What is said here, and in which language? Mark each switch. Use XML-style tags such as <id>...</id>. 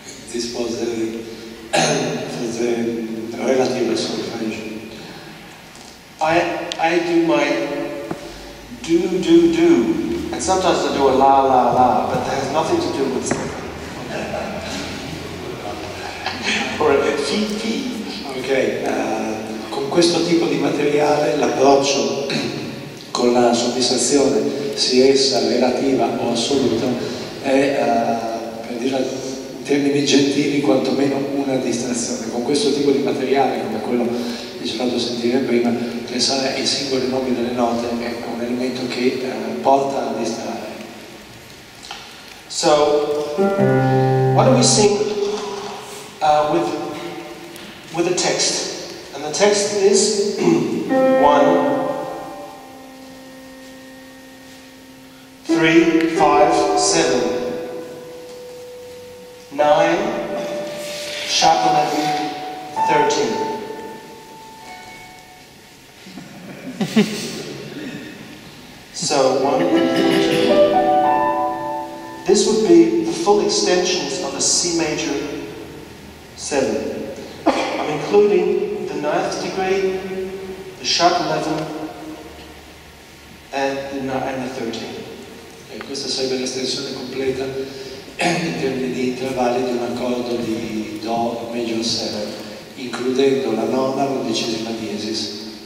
<en>This was the relative solfège. I do my do, do, do. And sometimes I do a la, la, la, but that has nothing to do with or a fi, fi.</en> <it>Ok, con questo tipo di materiale l'approccio con la soddisfazione, sia essa relativa o assoluta, è, per dire in termini gentili, quantomeno una distrazione. Con questo tipo di materiale, come quello che ci ho fatto sentire prima, pensare ai singoli nomi delle note è un elemento che porta a distrarre.</it> <en>So, why don't we sing with a text? And the text is 1, 3, 5, 7, 9, sharp 11, 13. So, 1, 2, 3. This would be the full extensions of a C major 7. I'm including the 9th degree, the sharp 11, and the 13.</en> <it>Okay, questa sarebbe l'estensione completa in termini di intervalli di un accordo di Do major 7, includendo la nona, l'undicesima diesis.</it>